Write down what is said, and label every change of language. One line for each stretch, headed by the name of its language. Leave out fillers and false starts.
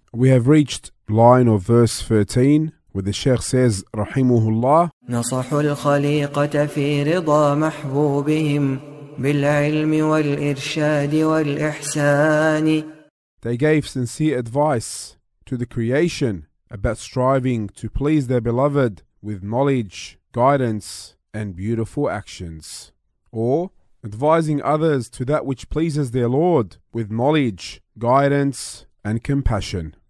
English: We have reached line of verse 13, where the Sheikh says, رحمه الله,
Arabic: نصحوا الخليقة في رضا محبوبهم بالعلم والإرشاد والإحسان.
English: They gave sincere advice to the creation about striving to please their beloved with knowledge, guidance, and beautiful actions. Or advising others to that which pleases their Lord with knowledge, guidance, and compassion.